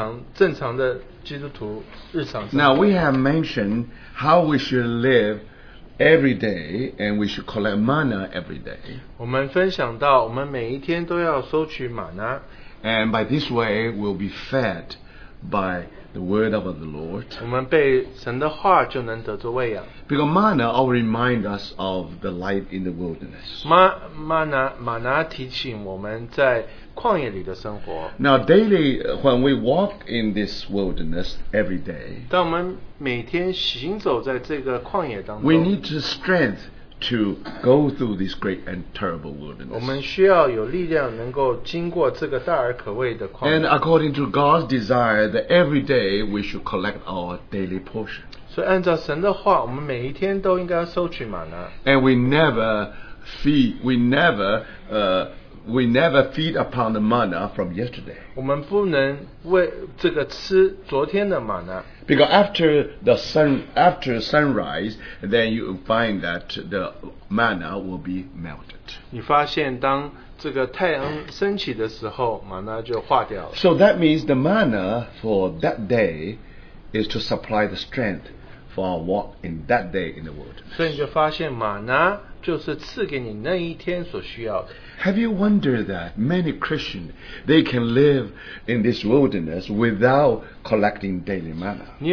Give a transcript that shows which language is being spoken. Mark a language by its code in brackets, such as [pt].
[zh] 换句话说就是日常正常的基督徒日常生活。 [en] Now we have mentioned how we should live every day, and we should collect manna every day. [zh] 我们分享到我们每一天都要收取玛拿。 [en] And by this way, we'll be fed by the word of the Lord. [zh] 我们被神的话就能得着喂养。 [en] Because manna always reminds us of the life in the wilderness. [zh] Manna 提醒我们在旷野里的生活。 [en] Now daily, when we walk in this wilderness every day, [zh] 当我们每天行走在这个旷野当中, [en] we need the strength to go through this great and terrible wilderness. [zh] 我们需要有力量能够经过这个大而可畏的旷野。 [en] And according to God's desire, that every day we should collect our daily portion. [zh] 所以按照神的话, 我们每一天都应该收取玛纳。 [en] And we never feed upon the manna from yesterday. [zh] 我们不能为这个吃昨天的玛纳。 [en] Because after sunrise, then you find that the manna will be melted. [zh] 你发现当这个太阳升起的时候, 玛纳就化掉了。 [en] So that means the manna for that day is to supply the strength for our walk in that day in the world. [zh] 所以你就发现玛纳就是赐给你那一天所需要的。 [en] Have you wondered that many Christians, they can live in this wilderness without collecting daily manna?